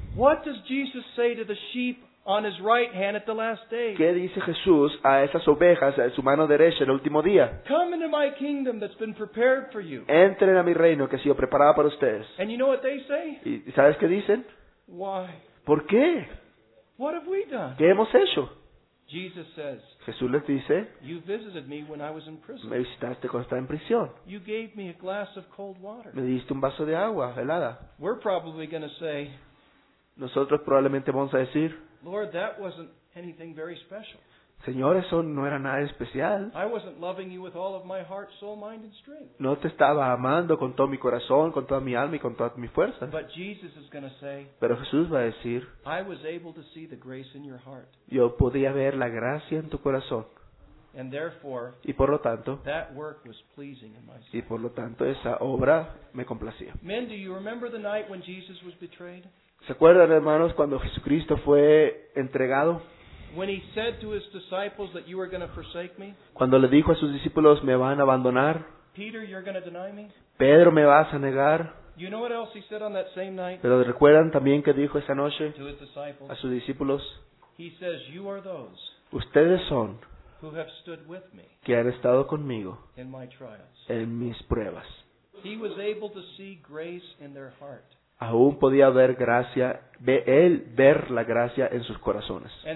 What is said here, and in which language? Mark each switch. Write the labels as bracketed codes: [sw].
[en] what does Jesus say to the sheep on his right hand at the last day? [es] ¿Qué dice Jesús a esas ovejas a su mano derecha el último día? [en] Come into my kingdom that's been prepared for you. [es] Entren a mi reino que ha sido preparado para ustedes. [en] And you know what they say? [es] ¿Y sabes qué dicen? [en] Why? [es] ¿Por qué? [en] What have we done? [es] ¿Qué hemos hecho? [en] Jesus says. [es] Jesús les dice. [en] You visited me when I was in prison. [es] Me visitaste cuando estaba en prisión. [en] You gave me a glass of cold water. [es] Me diste un vaso de agua helada. [en] We're probably going to say. [es] Nosotros probablemente vamos a decir. [en] Lord, that wasn't anything very special. [es] Señor, eso no era nada especial. [en] I wasn't loving you with all of my heart, soul, mind, and strength. [es] No te estaba amando con todo mi corazón, con toda mi alma y con toda mi fuerza. [en] But Jesus is going to say. [es] Pero Jesús va a decir. [en] I was able to see the grace in your heart. [es] Yo podía ver la gracia en tu corazón. [en] And therefore. [es] Y por lo tanto. [en] That work was pleasing in my soul. [es] Y por lo tanto esa obra me complacía. [en] Men, do you remember the night when Jesus was betrayed? [es] ¿Se acuerdan, hermanos, cuando Jesucristo fue entregado? [en] When he said to his disciples that you are going to forsake me? [es] Cuando le dijo a sus discípulos, me van a abandonar. [en] Peter, you're going to deny me? [es] Pedro, me vas a negar. [en] You know what else he said on that same night? [es] ¿Pero recuerdan también qué dijo esa noche? [en] To his disciples. [es] A sus discípulos. [en] He says, you are those. [es] Ustedes son. [en] Who have stood with me. [es] Que han estado conmigo. [en] In my trials. [es] En mis pruebas. [en] He was able to see grace in their heart. [es] Aún podía ver gracia, él ver la gracia en sus corazones.